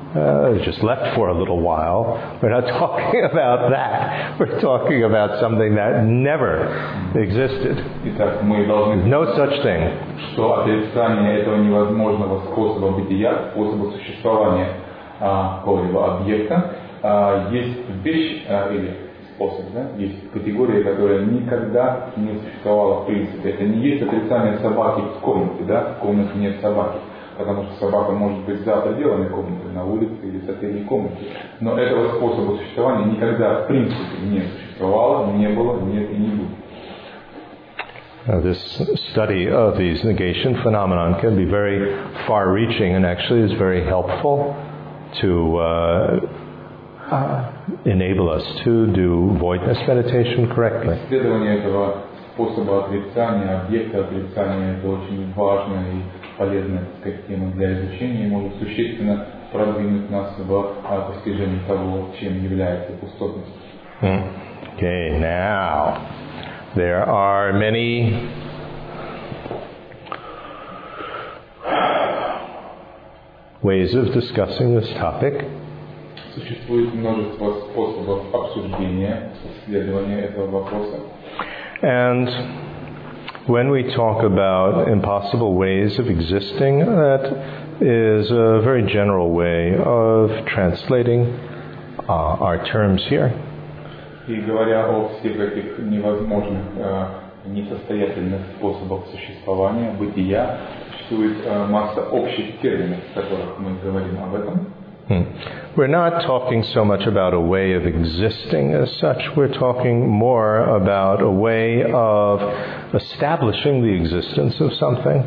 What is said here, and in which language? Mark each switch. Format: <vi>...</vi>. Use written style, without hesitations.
<en>It just left for a little while. We're not talking about that. We're talking about something that never existed.</en> <ru>Итак, мы должны...</ru> <en>No such thing.</en> <ru>Что отрицание этого невозможного способа бытия, способа существования какого-либо объекта, есть вещь или способ, да? Есть категория, которая никогда не существовала в принципе. Это не есть отрицание собаки в комнате, да? В комнате нет собаки. Потому что собака может быть за пределами комнаты, на улице или в соседней комнате. Но этого способа существования никогда в принципе не существовало, не было, нет и не будет.</ru> <en>Now this study of these negation phenomena can be very far-reaching and actually is very helpful to enable us to do voidness meditation correctly.</en> <ru>Исследование этого способа отрицания, объекта отрицания, это очень важно и полезно, так сказать, тема для изучения, может существенно продвинуть нас в постижении того, чем является пустотность.</ru> <en>Okay, now, there are many ways of discussing this topic.</en> <ru>Существует множество способов обсуждения, исследования этого вопроса.</ru> <en>And when we talk about impossible ways of existing, that is a very general way of translating our terms here.</en> <ru>И говоря о всех этих невозможных, несостоятельных способах существования, бытия, существует масса общих терминов, в которых мы говорим об этом.</ru> <en>We're not talking so much about a way of existing as such. We're talking more about a way of establishing the existence of something.</en>